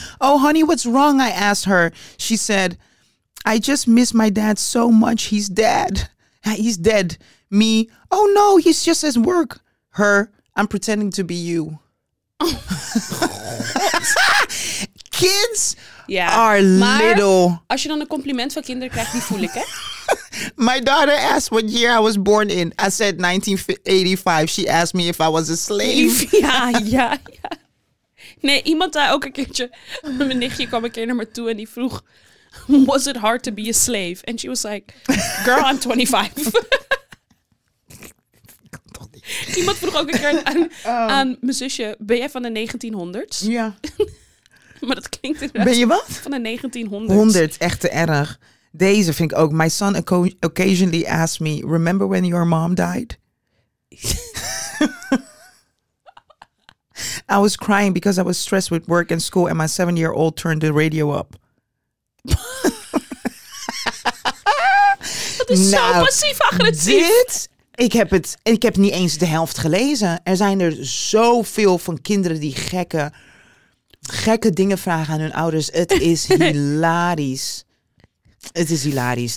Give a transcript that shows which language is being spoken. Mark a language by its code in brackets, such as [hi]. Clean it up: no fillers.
[en] Oh, honey, what's wrong? I asked her. She said, I just miss my dad so much. He's dead. He's dead. Me, oh, no, he's just at work. Her, I'm pretending to be you. Kids are little. [nl] Als je dan een compliment van kinderen krijgt, die voel ik, hè? [en] My daughter asked what year I was born in. I said 1985. She asked me if I was a slave. [nl] Ja. Nee, iemand daar ook een keertje. Mijn nichtje kwam een keer naar me toe en die vroeg, was it hard to be a slave? [en] And she was like, girl, I'm 25. [nl] Iemand vroeg ook een keer aan mijn zusje, ben jij van de 1900s? Ja. Maar dat klinkt inderdaad. Ben je wat? Van de 1900s. 100, echt te erg. Deze vind ik ook. [en] My son occasionally asked me, remember when your mom died? I was crying because I was stressed with work and school and my 7-year-old turned the radio up. [nl] Dat is nou, zo passief agressief. Dit... Ik heb niet eens de helft gelezen. Er zijn er zoveel van kinderen die gekke dingen vragen aan hun ouders. Het is hilarisch. Het is hilarisch.